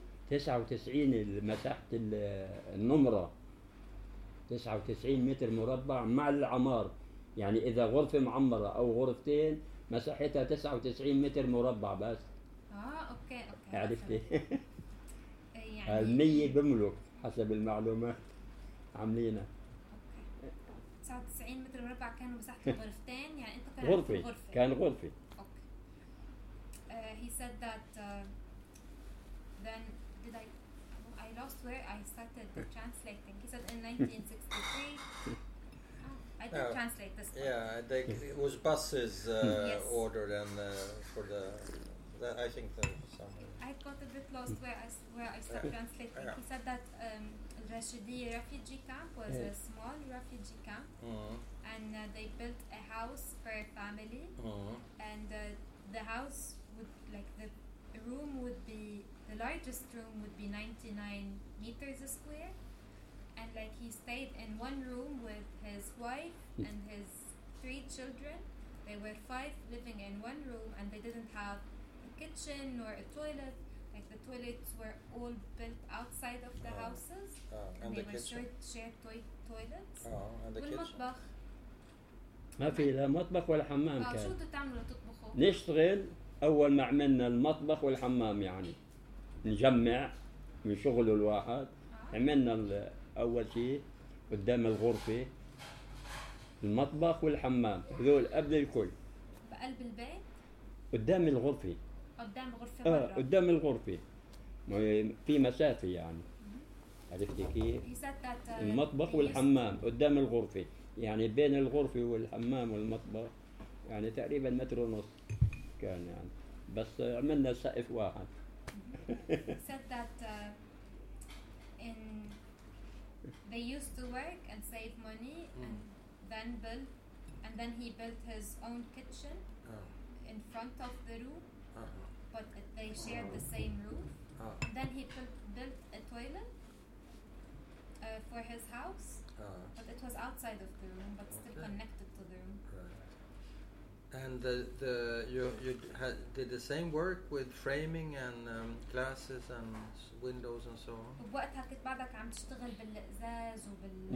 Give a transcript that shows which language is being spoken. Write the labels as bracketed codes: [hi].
[ar] 99 مساحة النمرة 99 متر مربع مع العمار يعني اذا غرفة معمرة او غرفتين مساحتها 99 متر مربع بس اوكي عرفتي يعني 100 بملك حسب المعلومات عاملينا 99 متر مربع كانوا مساحة غرفتين يعني انت كان غرفة كان غرفة [en] He said that then did I lost where I started the translating. He said in 1963 translate this one. Yeah, they, it was buses yes. ordered and for the I think the summer. I got a bit lost where I started translating. Yeah. He said that Rashidiye refugee camp was a small refugee camp and they built a house for a family and the house would like the room would be the largest room would be 99 meters square and like he stayed in one room with his wife and his 3 children they were 5 living in one room and they didn't have a kitchen nor a toilet like the toilets were all built outside of the houses and they the were kitchen. Shared toilets [ar] والمطبخ ما في لا مطبخ ولا حمام كان شو تعملوا تطبخوا نشتغل أول ما عملنا المطبخ والحمام يعني نجمع من شغله الواحد عملنا أول شيء قدام الغرفة المطبخ والحمام هذول قبل الكل بقلب البيت قدام الغرفة قدام غرفة قدام الغرفة في مسافة يعني عرفتي كيف المطبخ والحمام قدام الغرفة يعني بين الغرفة والحمام والمطبخ يعني تقريبا متر ونص كان يعني، بس عملنا سقف واحد. [en] Said that in they used to work and save money and then build, and then he built his own kitchen in front of the room, but they shared the same roof. Then he built a toilet for his house, but it was outside of the room, but still connected to the room. And you did the same work with framing and glasses and windows and so on. [ar] وبوقتها كنت بعدك عم تشتغل بالقزاز وبال.